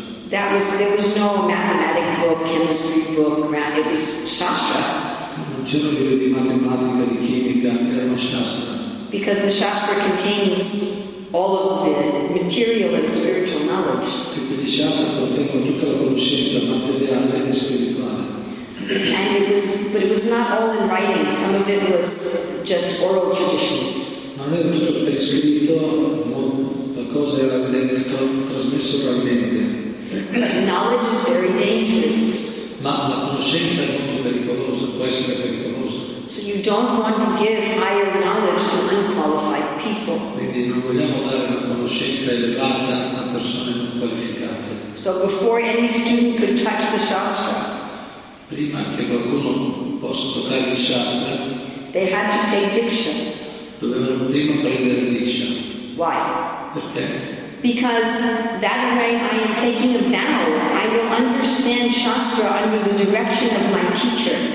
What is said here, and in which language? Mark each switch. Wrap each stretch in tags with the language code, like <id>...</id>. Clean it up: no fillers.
<en>That was, there was no mathematic book, chemistry book, grammar, it was shastra.</en> <it>Non c'era un libro di matematica, di chimica, era shastra.</it> <en>Because the shastra contains all of the material and spiritual knowledge.</en> <it>Perché il shastra conteneva tutta la conoscenza materiale e spirituale.</it> <en>And it was, but it was not all in writing, some of it was just oral tradition.</en> <it>Non era tutto scritto, qualcosa era trasmesso oralmente.</it> <en>Knowledge is very dangerous.</en> <it>Ma la conoscenza è molto pericolosa, può essere pericolosa.</it> <en>So you don't want to give higher knowledge to unqualified people.</en> <it>Quindi non vogliamo dare una conoscenza elevata a persone non qualificate.</it> <en>So before any student could touch the shastra.</en> <it>Prima che qualcuno possa toccare il shastra.</it> <en>They had to take diction.</en> <it>Dovevano prima prendere diction.</it> <en>Why?</en> <it>Perché?</it> <en>Because that way I am taking a vow. I will understand Shastra under the direction of my teacher.</en>